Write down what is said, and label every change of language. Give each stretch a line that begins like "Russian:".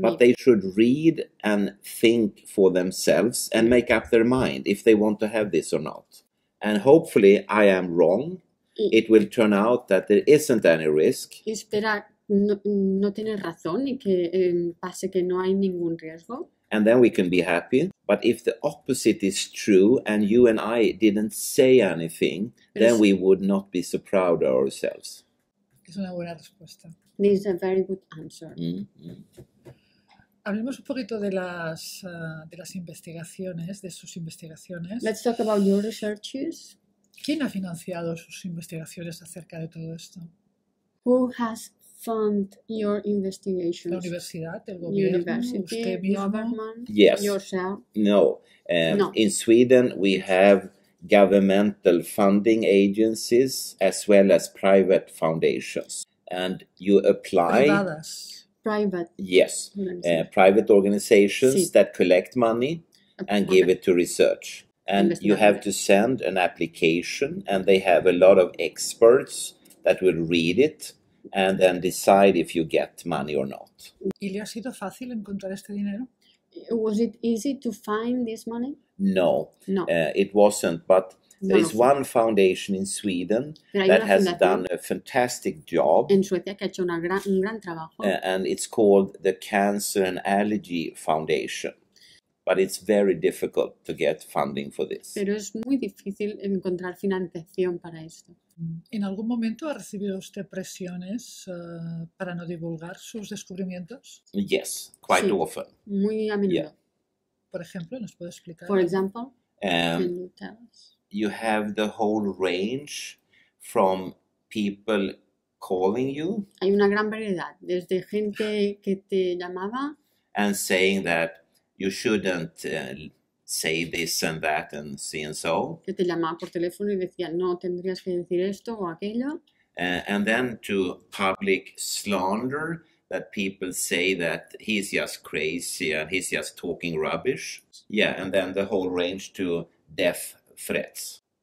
English: But they should read and think for themselves and make up their mind if they want to have this or not. And hopefully I am wrong. It will turn out that there isn't any risk.
Spanish: Y espera, no tiene razón y que pase que no hay ningún riesgo.
English: And then we can be happy. But if the opposite is true and you and I didn't say anything,
Spanish: pero
English: then we would not be so proud of ourselves.
Spanish: Es una buena respuesta.
English: This is a very good answer. Mm-hmm.
Spanish: Hablemos un poquito de las investigaciones, de sus investigaciones.
English: Let's talk about your researches.
Spanish: ¿Quién ha financiado sus investigaciones acerca de todo esto?
English: Who has fund your investigations?
Spanish: La universidad, el gobierno, university, usted mismo.
English: Government, yes. Yourself? No. In Sweden we have governmental funding agencies as well as private foundations. And you apply.
Spanish: Privadas.
English: Private. Yes. Private organizations,
Spanish: sí,
English: that collect money and give it to research. And you have to send an application, and they have a lot of experts that will read it and then decide if you get money or not.
Spanish: ¿Y le ha sido fácil encontrar este dinero?
English: Was it easy to find this money? No.
Spanish: No.
English: It wasn't, but there is one foundation in Sweden that has done a fantastic job.
Spanish: En Suecia, que ha hecho un gran trabajo.
English: And it's called the Cancer and Allergy Foundation. But it's very difficult to get funding for this.
Spanish: Pero es muy difícil encontrar financiación para esto. ¿En algún momento ha recibido usted presiones para no divulgar sus descubrimientos?
English: Yes, quite
Spanish: sí,
English: often.
Spanish: Muy a menudo.
English: Yeah.
Spanish: Por ejemplo, ¿nos puede explicar?
English: For example, can you tell us? You have the whole range from people calling you.
Spanish: Hay una gran variedad, desde gente que te llamaba.
English: And saying that you shouldn't say this and that and see and so.
Spanish: Que te llamaba por teléfono y decía, no, tendrías que decir esto o aquello.
English: And then to public slander, that people say that he's just crazy and he's just talking rubbish. Yeah, and then the whole range to death threats.